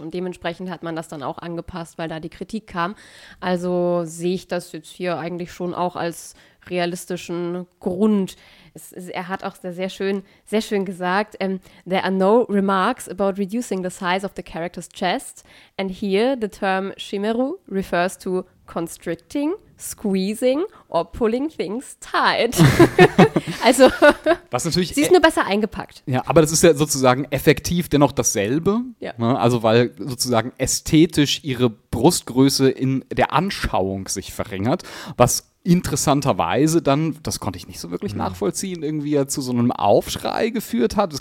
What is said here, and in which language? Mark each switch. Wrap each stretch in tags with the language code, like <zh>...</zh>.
<de>Und dementsprechend hat man das dann auch angepasst, weil da die Kritik kam. Also sehe ich das jetzt hier eigentlich schon auch als realistischen Grund. Er hat auch sehr schön gesagt,</de> <en>there are no remarks about reducing the size of the character's chest. And here the term Shimeru refers to constricting, squeezing or pulling things tight.</en> <de>Also, was natürlich, sie ist nur besser eingepackt. Ja, aber das ist ja sozusagen effektiv dennoch dasselbe. Ja. Ne? Also, weil sozusagen ästhetisch ihre Brustgröße in der Anschauung sich verringert, was interessanterweise dann, das konnte ich nicht so wirklich nachvollziehen, irgendwie ja zu so einem Aufschrei geführt hat.</de>